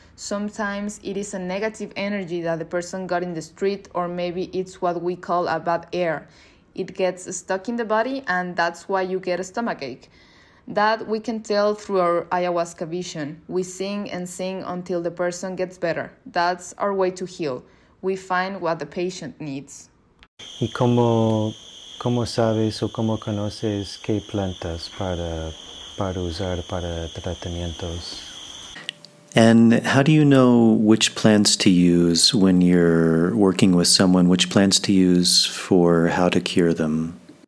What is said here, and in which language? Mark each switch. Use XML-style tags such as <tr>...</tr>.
<en>Sometimes it is a negative energy that the person got in the street, or maybe it's what we call a bad air. It gets stuck in the body and that's why you get a stomach ache. That we can tell through our ayahuasca vision. We sing and sing until the person gets better. That's our way to heal. We find what the patient needs.</en> <es>¿Y cómo sabes o cómo conoces qué plantas para usar para tratamientos?</es> <en>And how do you know which plants to use when you're working with someone, which plants to use for how to cure them?</en>